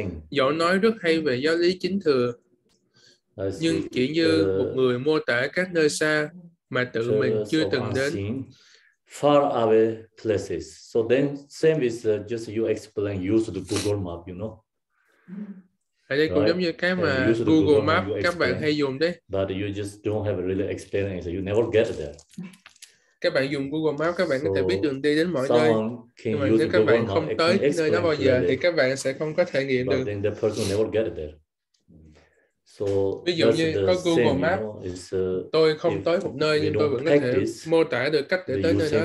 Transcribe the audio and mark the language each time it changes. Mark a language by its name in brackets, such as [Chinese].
[Vietnamese] Giỏi nói rất hay về giáo lý chính thừa, nhưng chỉ như một người mô tả các nơi xa mà tự mình chưa từng đến. [English] Far away places. So then, same is just you explain. Use the Google Map, you know. [Vietnamese] Ở đây cũng giống như cái mà Google Map các bạn hay dùng đấy. [English] But you just don't have a really experience. You never get there. [Vietnamese] Các bạn dùng Google Map, các bạn có thể biết đường đi đến mọi nơi. Nhưng mà nếu các bạn không tới nơi đó bao giờ, thì các bạn sẽ không có thể nghiệm được. [English] But then the person never get there. So [Vietnamese] ví dụ như có Google Map, tôi không tới một nơi nhưng tôi vẫn có thể mô tả được cách để tới nơi đó.